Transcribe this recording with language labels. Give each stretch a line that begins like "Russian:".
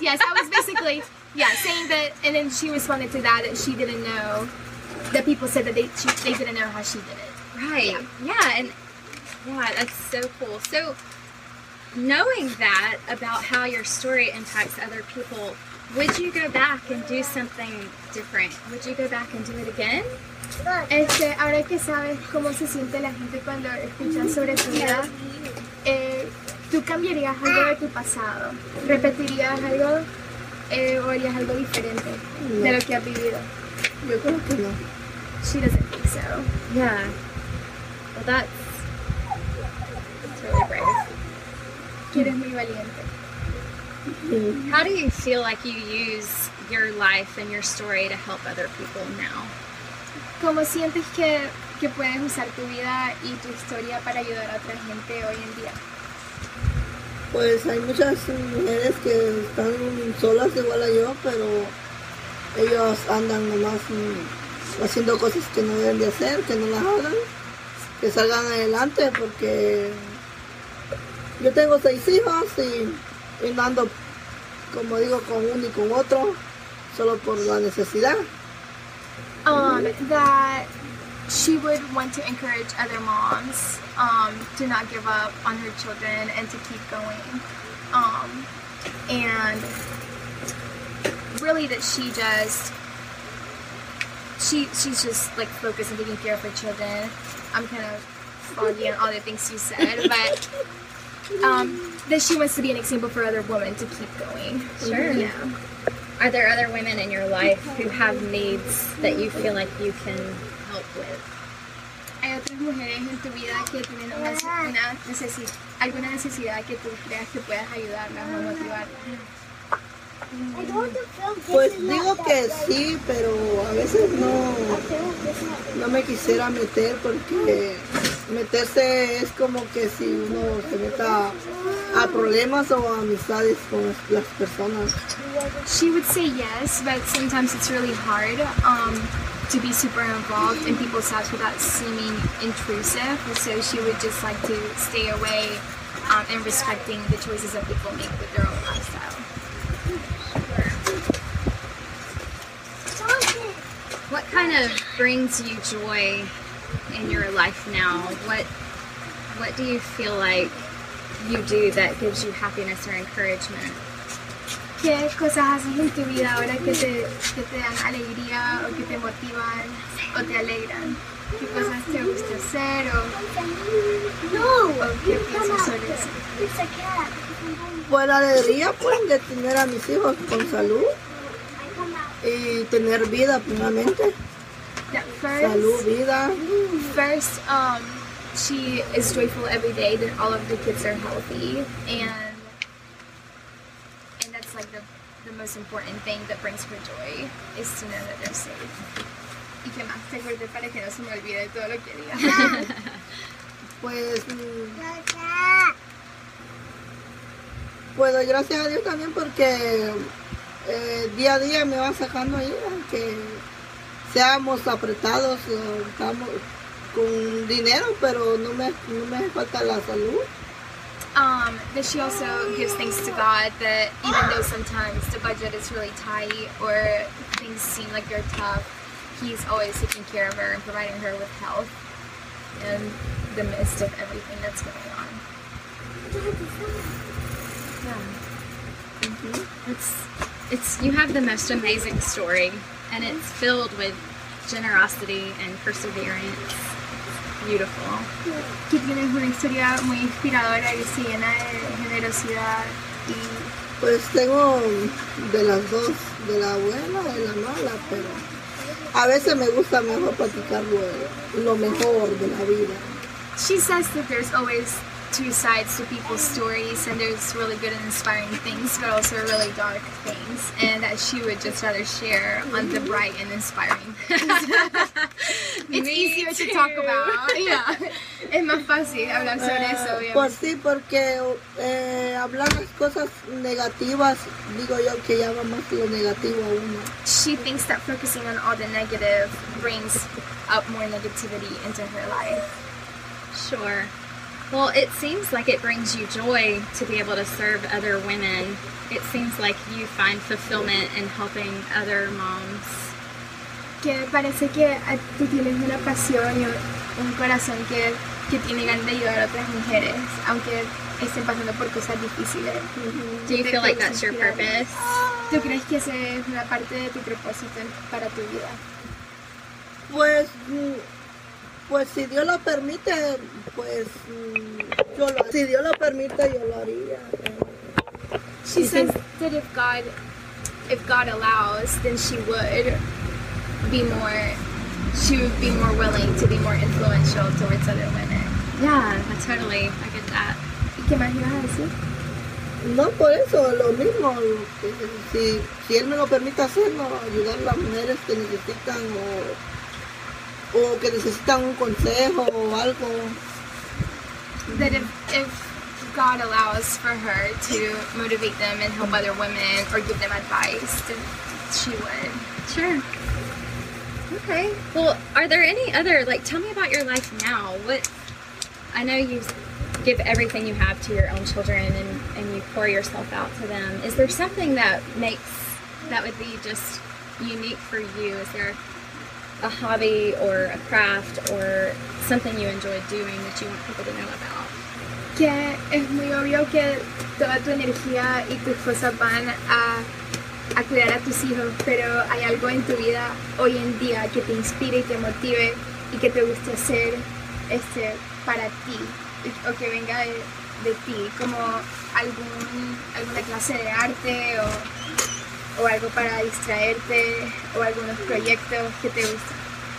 English: Yes, I was basically, saying that, and then she responded to that she didn't know, that people said that they didn't know how she did it. Right, yeah, that's so cool. So, knowing that about how your story impacts other people, would you go back and do something different? Would you go back and do it again?
Spanish: Ahora que sabes cómo se siente la gente cuando escucha sobre tu vida, ¿tú cambiarías algo de tu pasado? ¿Repetirías algo o harías algo diferente de lo que has vivido? Yo creo que no.
English: She doesn't think so. Yeah. Well, that's really brave.
Spanish: Eres muy valiente.
English: How do you feel like you use your life and your story to help other people now?
Spanish: ¿Cómo sientes que puedes usar tu vida y tu historia para ayudar a otra gente hoy en día? Pues hay muchas mujeres que están solas igual a yo, pero ellos andan nomás haciendo cosas que no deben de hacer, que no las hagan, que salgan adelante, porque yo tengo 6 hijos y no ando, como digo, con uno y con otro, solo por la necesidad.
English: That she would want to encourage other moms to not give up on her children and to keep going. And really that she's just like focused on taking care of her children. I'm kind of foggy on all the things you said, but that she wants to be an example for other women to keep going. Sure. Yeah. Are there other women in your life who have needs that you feel like you can help with?
Spanish: Hay otras mujeres en tu vida que tienen alguna necesidad que tú creas que puedas ayudarlas o motivarlas. Pues digo que sí, pero a veces no me quisiera meter porque meterse es como que si uno se meta a problemas o amistades con las personas.
English: She would say yes, but sometimes it's really hard to be super involved in people's lives without seeming intrusive. So she would just like to stay away and respecting the choices that people make with their own lifestyle. Sure. What kind of brings you joy in your life now? What do you feel like you do that gives you happiness or encouragement?
Spanish: ¿Qué cosas haces en tu vida ahora que te dan alegría o que te motivan o te alegran? ¿Qué cosas te gusta hacer o qué piensas sobre eso? Pues la alegría pues de tener a mis hijos con salud y tener vida primeramente.
English: First,
Spanish: salud, vida.
English: First, she is joyful every day that all of the kids are healthy and that's like the most important thing that brings her joy is to know that they're safe.
Spanish: ¿Y qué más te acuerdas para que no se me olvide de todo lo que diga? Pues gracias a Dios también porque día a día me va sacando ahí, aunque seamos apretados o estamos con dinero, pero no me falta la salud.
English: That she also gives thanks to God that even though sometimes the budget is really tight or things seem like they're tough, he's always taking care of her and providing her with health in the midst of everything that's going on. Yeah. Mm-hmm. It's you have the most amazing story and it's filled with generosity and perseverance. Beautiful.
Spanish: Que tienes una historia muy inspiradora y llena de generosidad y pues tengo de las dos, de la buena y la mala, pero a veces me gusta mejor practicar lo mejor de la vida.
English: She says that there's always two sides to people's stories and there's really good and inspiring things but also really dark things and that she would just rather share on the bright and inspiring things. It's easier too. To talk about. Yeah.
Spanish: Es más fácil hablar sobre eso. Pues sí, porque hablar las cosas negativas, digo yo que llama más lo negativo a uno.
English: She thinks that focusing on all the negative brings up more negativity into her life. Sure. Well, it seems like it brings you joy to be able to serve other women. It seems like you find fulfillment in helping other moms.
Spanish: Que parece que tú tienes una pasión y un corazón que tiene ganas de ayudar a otras mujeres, aunque estén pasando por cosas difíciles.
English: Do you feel like that's your purpose?
Spanish: ¿Tú crees que esa es una parte de tu propósito para tu vida? Pues, pues si Dios lo permite, pues yo lo, si Dios lo permite, yo lo haría.
English: She says that if God allows, then she would be more, she would be more willing to be more influential towards other women. Yeah, but totally, I get that.
Spanish: ¿Y qué más ibas a decir? No, por eso, lo mismo. Si él me lo permite hacerlo, ayudar a las mujeres que necesitan o que necesitan un consejo o algo.
English: That if God allows for her to motivate them and help other women or give them advice, then she would. Sure. Okay. Well, are there any other, like, tell me about your life now. What, I know you give everything you have to your own children and you pour yourself out to them. Is there something that makes, that would be just unique for you? Is there a hobby or a craft or something you enjoy doing that you want people to know about?
Spanish: Que es muy obvio que toda tu energía y tus cosas van a cuidar a tus hijos, pero hay algo en tu vida hoy en día que te inspire y te motive y que te guste hacer este para ti o que venga de ti, como alguna clase de arte o algo para distraerte o algunos proyectos que te gusten.